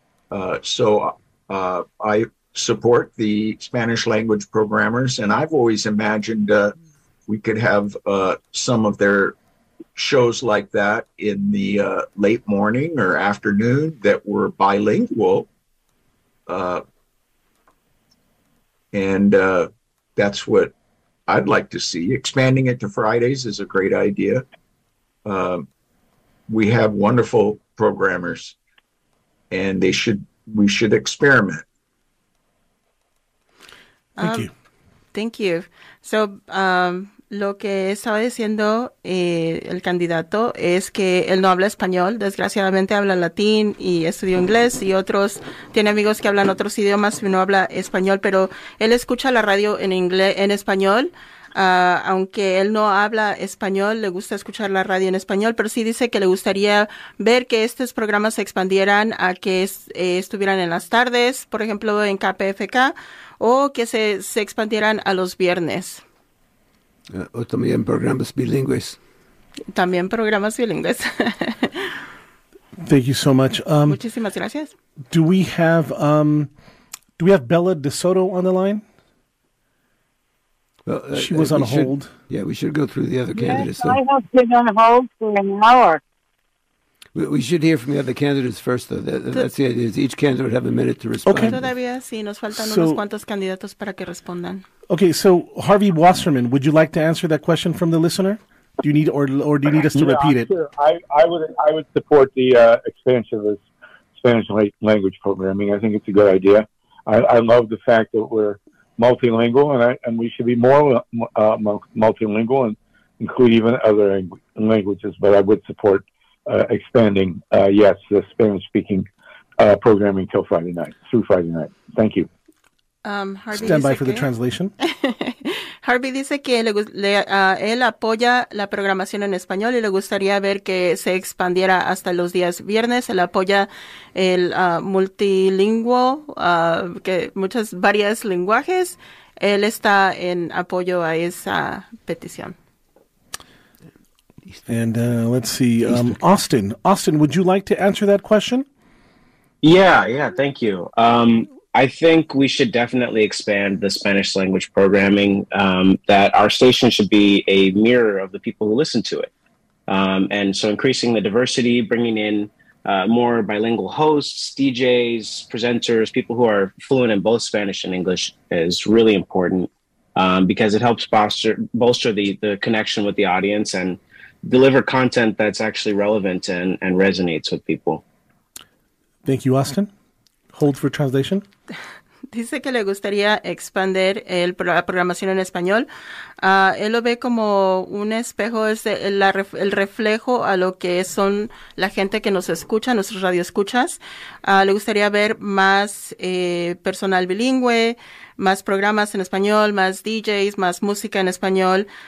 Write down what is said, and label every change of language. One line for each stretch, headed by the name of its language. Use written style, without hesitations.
English: I support the Spanish language programmers, and I've always imagined we could have some of their shows like that in the late morning or afternoon that were bilingual, and that's what I'd like to see. Expanding it to Fridays is a great idea. We have wonderful programmers, and we should experiment. Thank you.
Spanish: So, lo que estaba diciendo el candidato es que él no habla español. Desgraciadamente habla latín y estudió inglés y otros, tiene amigos que hablan otros idiomas y no habla español, pero él escucha la radio en español. Aunque él no habla español, le gusta escuchar la radio en español, pero sí dice que le gustaría ver que estos programas se expandieran a que estuvieran en las tardes, por ejemplo, en KPFK, o que se expandieran a los viernes. O también programas bilingües. También programas bilingües.
English: Thank you so much.
Spanish: Muchísimas gracias.
English: Do we have Bella DeSoto on the line? Well, she was on hold. Yeah, we should go through the other candidates. Yes, I have been on hold for an hour. We should hear from the other candidates first, though. That's the idea. Each candidate would have a minute to respond. Okay.
Spanish: Todavía sí, nos faltan unos cuantos candidatos para que respondan.
English: Okay, so Harvey Wasserman, would you like to answer that question from the listener? Do you need or do you need us to repeat it? Sure. I would support the expansion of this Spanish language programming. I think it's a good idea. I love the fact that we're multilingual, and we should be more multilingual and include even other languages. But I would support expanding, yes, the Spanish-speaking programming till Friday night, through Friday night. Thank you. Stand by for the translation.
Spanish: Harvey dice que él apoya la programación en español y le gustaría ver que se expandiera hasta los días viernes. Él apoya el multilingüe, que muchas varias lenguajes. Él está en apoyo a esa petición.
English: And let's see, Austin. Austin, would you like to answer that question? Yeah, thank you. I think we should definitely expand the Spanish language programming, that our station should be a mirror of the people who listen to it. And so increasing the diversity, bringing in more bilingual hosts, DJs, presenters, people who are fluent in both Spanish and English is really important, because it helps bolster the connection with the audience and deliver content that's actually relevant and resonates with people. Thank you, Austin. Hold for translation.
Spanish: Dice que le gustaría expandir la programación en español. Él lo ve como un espejo, es el reflejo a lo que son la gente que nos escucha, nuestros radioescuchas. Le gustaría ver más personal bilingüe, más programas en español, más DJs, más música en español.